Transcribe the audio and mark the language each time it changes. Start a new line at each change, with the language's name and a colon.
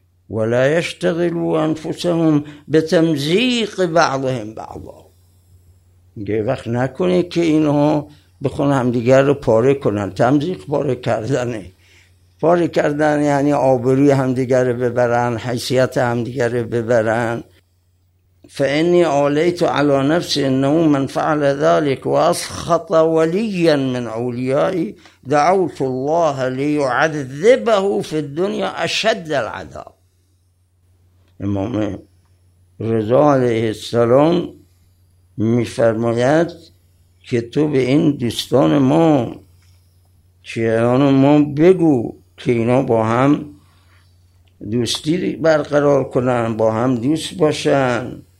Arabic: ولا یشتغلوا انفسهم بتمزیق بعضهم بعضا،
Persian: یه وقت نکنه که اینها بخون همدیگر رو پاره کنن. تمزیق پاره کردنه، پاره کردن یعنی آبروی همدیگر رو ببرن، حیثیت همدیگر رو ببرن.
Arabic: فإني آلیت على نفسي انه من فعل ذلك واسخط وليا من اوليائي دعوت الله ليعذبه في الدنيا اشد العذاب.
Persian: امام رضا علیه السلام میفرماید که تو به این دوستان ما شیعان ما بگو که اینا با هم دوستی برقرار کنن، با هم دوست باشن.